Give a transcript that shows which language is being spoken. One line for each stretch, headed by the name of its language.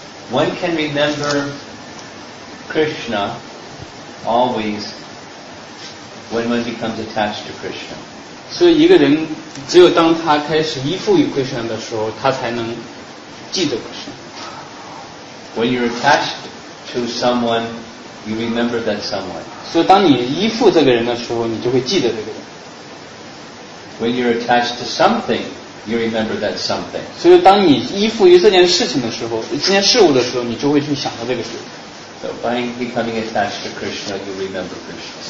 English: One can remember Krishna.Always when one becomes attached to Krishna.
Chinese: 所以一个人只有当他开始依附于 Krishna 的时候，他才能记得 Krishna。
English: When you're attached to someone, you remember that someone.
Chinese: 所以当你依附这个人的时候，你就会记得这个人。
English: When you're attached to something, you remember that something.
Chinese: 所以当你依附于这件事情的时候，这件事物的时候，你就会去想到这个事。
English: So by becoming attached to Krishna, you remember Krishna.